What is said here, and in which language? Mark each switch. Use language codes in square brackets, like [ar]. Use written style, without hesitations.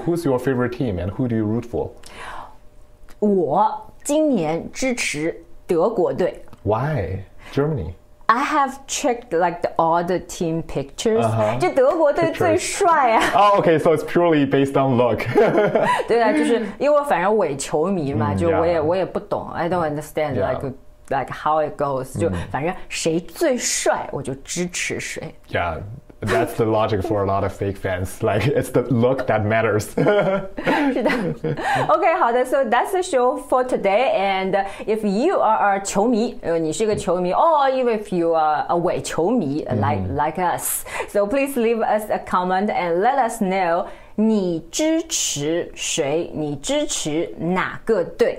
[en] Who's your favorite team and who do you root for? [zh] 我今年支持德国队。 [en] Why? Germany? I have checked like the, all the team pictures. [zh] 就德国队最帅啊。 [en] Oh, okay, so it's purely based on look. [zh] 对啊，就是因为反正我也球迷嘛，就我也不懂。 [en] I don't understand like how it goes. [zh] 就反正谁最帅，我就支持谁。 [en] Yeah, that's the logic for a lot of fake fans. Like, it's the look that matters. [zh] 是的。 [en] Okay, [zh] 好的。 [en] So that's the show for today. And if you are a [zh] 球迷，你是个球迷， [en] or even if you are a [zh] 伪球迷 [en] like us, so please leave us a comment and let us know [zh] 你支持谁，你支持哪个队。